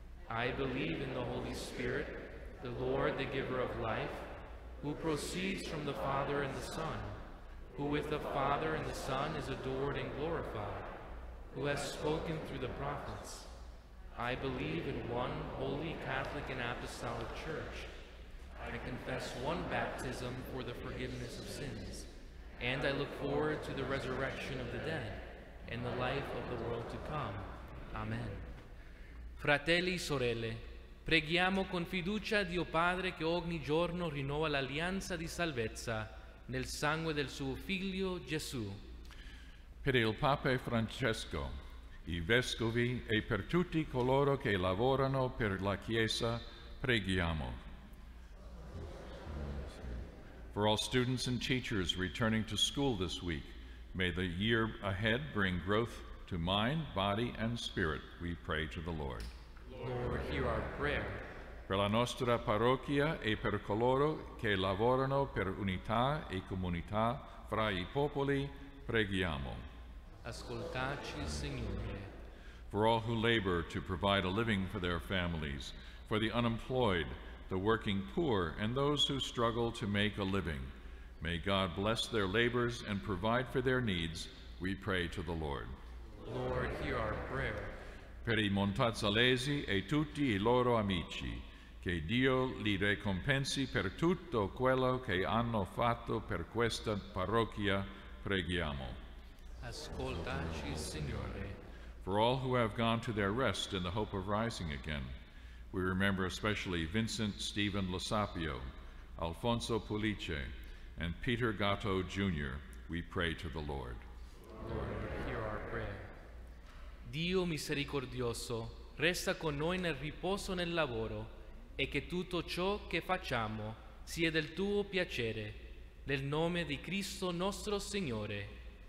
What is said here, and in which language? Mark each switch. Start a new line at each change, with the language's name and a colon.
English: I believe in the Holy Spirit, the Lord, the giver of life, who proceeds from the Father and the Son, who with the Father and the Son is adored and glorified, who has spoken through the prophets. I believe in one holy Catholic and Apostolic Church. I confess one baptism for the forgiveness of sins, and I look forward to the resurrection of the dead and the life of the world to come. Amen.
Italian: Fratelli e sorelle, preghiamo con fiducia a Dio Padre che ogni giorno rinnova l'alleanza di salvezza nel sangue del suo Figlio Gesù. Per il Papa Francesco, i Vescovi e per tutti coloro che lavorano per la Chiesa, preghiamo.
English: For all students and teachers returning to school this week, may the year ahead bring growth to mind, body, and spirit, we pray to the Lord. Lord, hear our prayer.
Italian: Per la nostra parrocchia e per coloro che lavorano per unità e comunità fra i popoli, preghiamo. Ascoltaci, Signore.
English: For all who labor to provide a living for their families, for the unemployed, the working poor, and those who struggle to make a living. May God bless their labors and provide for their needs, we pray to the Lord. Lord, hear our prayer.
Italian: Per i Montazzalesi e tutti i loro amici, che Dio li ricompensi per tutto quello che hanno fatto per questa parrocchia, preghiamo. Ascoltaci, Signore.
English: For all who have gone to their rest in the hope of rising again, we remember especially Vincent Stephen Losapio, Alfonso Pulice, and Peter Gatto, Jr. We pray to the Lord. Lord, hear our prayer.
Italian: Dio misericordioso, resta con noi nel riposo nel lavoro, e che tutto ciò che facciamo sia del tuo piacere, nel nome di Cristo nostro Signore.